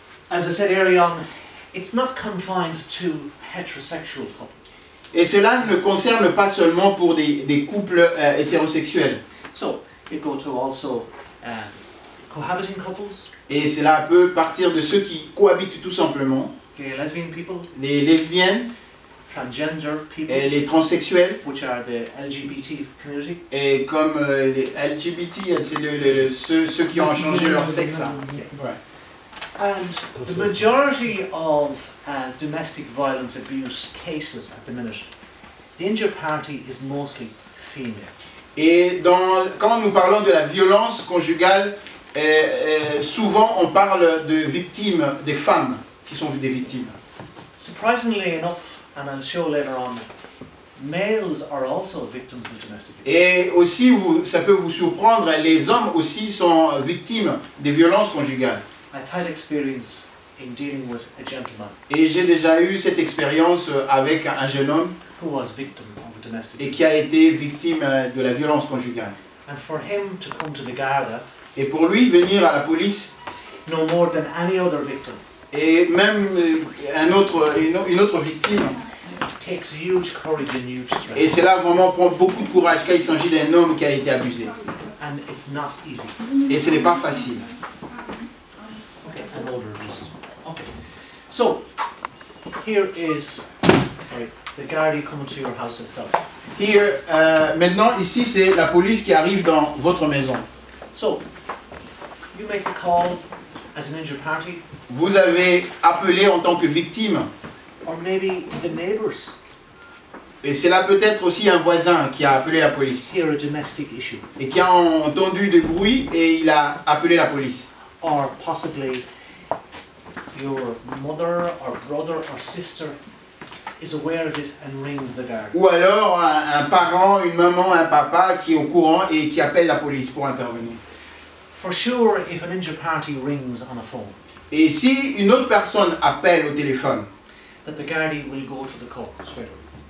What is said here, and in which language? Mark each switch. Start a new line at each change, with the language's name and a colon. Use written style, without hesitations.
English: As I said earlier on, it's not confined to heterosexual couples.
French: Et cela ne concerne pas seulement pour des couples hétérosexuels.
English: So, it goes to also cohabiting couples.
French: Et cela peut partir de ceux qui cohabitent tout simplement.
English: Okay, lesbian people.
French: Les lesbiennes.
English: Transgender people.
French: Et les transsexuels.
English: Which are the LGBT community.
French: Et comme les LGBT, c'est ceux qui ont changé leur sexe.
English: Okay. And the majority of domestic violence abuse cases at the minute, the injured party is mostly female.
French: Et quand nous parlons de la violence conjugale, souvent on parle de victimes, des femmes qui sont des victimes.
English: Surprisingly enough, and I'll show later on, males are also victims of domestic abuse.
French: Et aussi, ça peut vous surprendre, les hommes aussi sont victimes des violences conjugales.
English: I've had experience in dealing with a gentleman.
French: Et j'ai déjà eu cette expérience avec un jeune homme.
English: Who was victim of domestic abuse.
French: Et qui a été victime de la violence conjugale.
English: And for him to come to the Garda.
French: Et pour lui venir à la police.
English: No more than any other victim.
French: Et même une autre victime.
English: It takes huge courage and huge strength.
French: Et cela vraiment prend beaucoup de courage quand il s'agit d'un homme qui a été abusé.
English: And it's not easy.
French: Et ce n'est pas facile.
English: Older abuses. So, here is, sorry, the Gardaí coming to your house itself. Here,
French: maintenant ici c'est la police qui arrive dans votre maison.
English: So, you make a call as an injured party.
French: Vous avez appelé en tant que victime.
English: Or maybe the neighbors.
French: Et c'est là peut-être aussi un voisin qui a appelé la police.
English: Hear a domestic issue.
French: Et qui a entendu des bruits et il a appelé la police.
English: Or possibly your mother or brother or sister is aware of this and rings the guard.
French: Ou alors un parent, une maman, un papa qui est au courant et qui appelle la police pour intervenir.
English: For sure, if an injured party rings on a phone.
French: Et si une autre personne appelle au téléphone,
English: that the guardie will go to the court straight away.